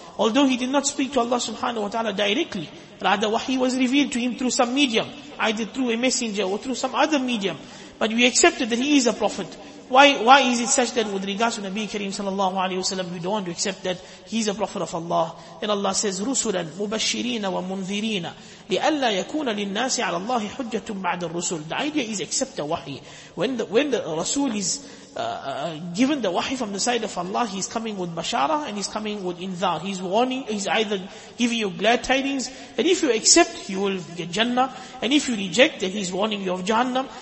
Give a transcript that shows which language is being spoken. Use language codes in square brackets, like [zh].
[en] Although he did not speak to Allah subhanahu wa ta'ala directly. Rather, wahi was revealed to him through some medium. Either through a messenger or through some other medium. But we accepted that he is a prophet. Why is it such that with regards to Nabi Kareem sallallahu alayhi wa sallam, you don't want to accept that he is a prophet of Allah? Then Allah says, [ar] رُسُلًا مُبَشِّرِينَ وَمُنذِرِينَ لِأَلَّا يَكُونَ لِلنَّاسِ عَلَى اللَّهِ حُجَّةٌ بَعْدَ الرُّسُلِ. [en] The idea is accept a wahi. When the Rasul is given the wahi from the side of Allah, he is coming with bashara and he is coming with inzar. He is warning, he is either giving you glad tidings, and if you accept, you will get Jannah, and if you reject, then he is warning you of Jahannam.